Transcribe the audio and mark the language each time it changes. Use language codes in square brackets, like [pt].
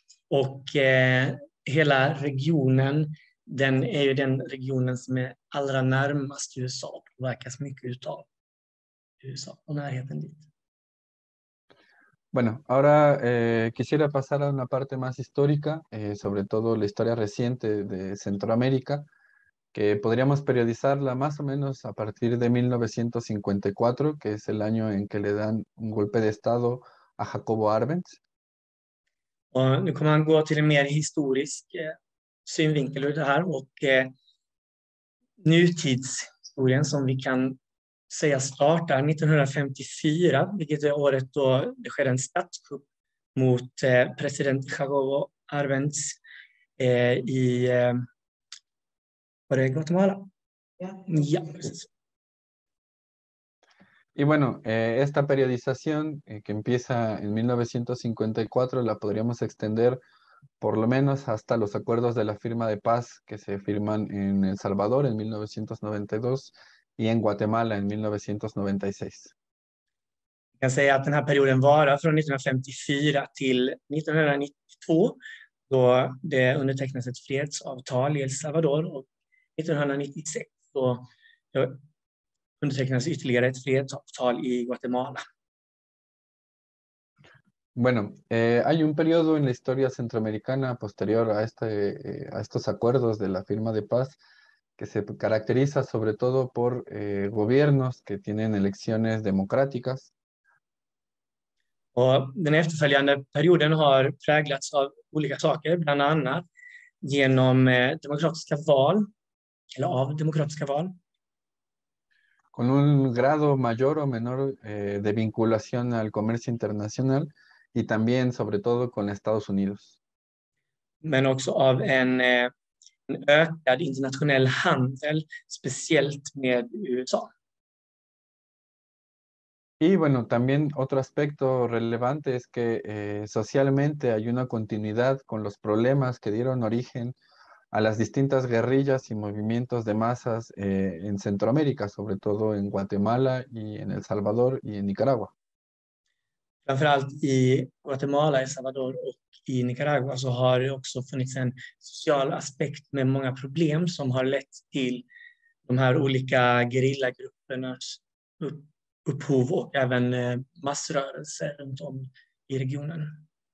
[sv] Och hela regionen, den är ju den regionen som är allra närmast USA och påverkas mycket utav USA och närheten dit. [es] Bueno, ahora quisiera pasar a una parte más histórica, sobre todo la historia reciente de Centroamérica, que podríamos periodizarla más o menos a partir de 1954, que es el año en que le dan un golpe de estado a Jacobo Arbenz. [sv] Och nu kommer han gå till en mer historisk synvinkel ur det här och nutidshistorien som vi kan säga startar 1954, vilket är året då det skedde en statskupp mot president Jacobo Arbenz i var det Guatemala? Ja, precis. [es] Y bueno, esta periodización que empieza en 1954 la podríamos extender por lo menos hasta los acuerdos de la firma de paz que se firman en El Salvador en 1992 y en Guatemala en 1996. [sv] Jag kan säga att den här perioden varar från 1954 till 1992 då det undertecknas ett fredsavtal i El Salvador och 1996 då undertecknas ytterligare ett fredsavtal i Guatemala. [es] Bueno, hay un periodo en la historia centroamericana posterior a estos acuerdos de la firma de paz que se caracteriza sobre todo por gobiernos que tienen elecciones democráticas. [sv] Och den efterföljande perioden har präglats av olika saker, bland annat genom demokratiska val eller av demokratiska val. [es] Con un grado mayor o menor de vinculación al comercio internacional y también sobre todo con Estados Unidos. [sv] Men också av en ökad internationell handel, speciellt med USA. [es] Y bueno, también otro aspecto relevante es que socialmente hay una continuidad con los problemas que dieron origen a las distintas guerrillas y movimientos de masas en Centroamérica, sobre todo en Guatemala y en El Salvador y en Nicaragua. [sv] Framförallt i Guatemala, El Salvador och i Nicaragua så har det också funnits en social aspekt med många problem som har lett till de här olika guerrillagruppernas upphov och även massrörelser runt om i regionen.